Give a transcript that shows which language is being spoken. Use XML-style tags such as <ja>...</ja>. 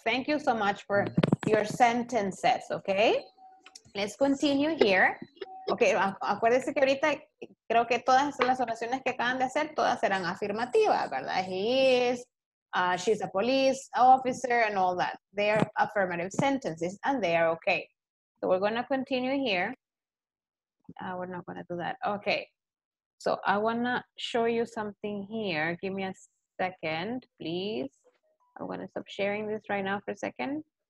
<en>Thank you so much for your sentences, okay? Let's continue here.</en> <es>Okay, acuérdense que ahorita creo que todas las oraciones que acaban de hacer, todas serán afirmativas, ¿verdad?</es> <en>He is... she's a police officer and all that. They are affirmative sentences and they are okay. So we're going to continue here. We're not going to do that. Okay. So I want to show you something here. Give me a second, please. I'm going to stop sharing this right now for a second.</en>